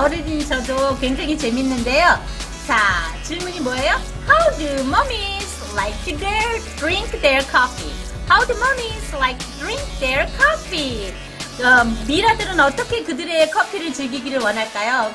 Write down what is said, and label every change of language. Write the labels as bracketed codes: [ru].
[ko] 어른인 저도 굉장히 재밌는데요. 자, 질문이 뭐예요? [en] How do mommies like to drink their coffee? How do mommies like to drink their coffee? [ko] 미라들은 어떻게 그들의 커피를 즐기기를 원할까요?